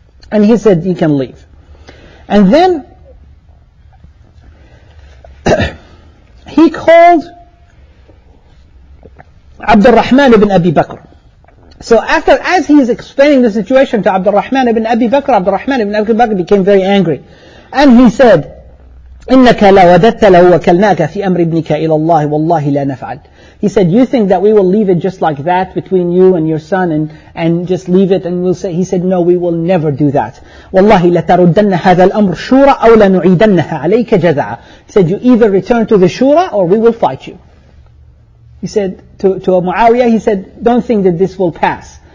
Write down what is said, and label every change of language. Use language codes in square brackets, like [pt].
[en] And he said, you can leave. And then he called Abdul Rahman ibn Abi Bakr. So after, as he is explaining the situation to Abdul Rahman ibn Abi Bakr, Abdul Rahman ibn Abi Bakr became very angry. And he said, [ar] إِنَّكَ لَوَدَدْتَ لَهُ وَكَلْنَاكَ فِي أَمْرِ ابْنِكَ إِلَى اللَّهِ وَاللَّهِ لَا نَفْعَلْ. [en] He said, you think that we will leave it just like that between you and your son, and just leave it, and we'll say, he said, no, we will never do that. [ar] وَاللَّهِ لَتَرُدَّنَّ هَذَا الْأَمْرُ شُورَ أَوْ لَنُعِيدَنَّهَا عَلَيْكَ جَذَعَ. [en] He said, you either return to the shura or we will fight you. He said to Muawiyah, he said, don't think that this will pass.